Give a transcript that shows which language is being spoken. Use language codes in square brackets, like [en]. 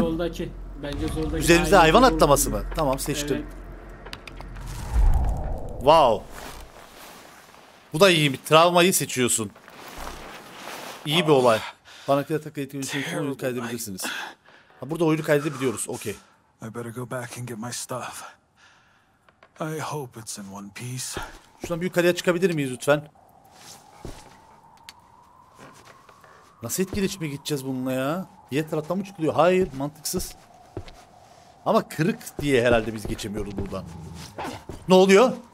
[tr] Soldaki. Bence soldaki. Üzerimize hayvan atlaması mı? Tamam seçtim. Evet. Wow. Bu da iyi bir travmayı seçiyorsun. İyi bir olay. Bana kadar takip ettiğiniz için oyunu kaydedebilirsiniz. Ha burada oyunu kaydedebiliyoruz. Okey. [en] I better go back and get my stuff. I hope it's in one piece. [tr] Şuradan bir yukarıya çıkabilir miyiz lütfen? Nasıl etkileşime mi gideceğiz bununla ya? Diğer taraftan mı çıkılıyor? Hayır, mantıksız. Ama kırık diye herhalde biz geçemiyoruz buradan. Ne oluyor?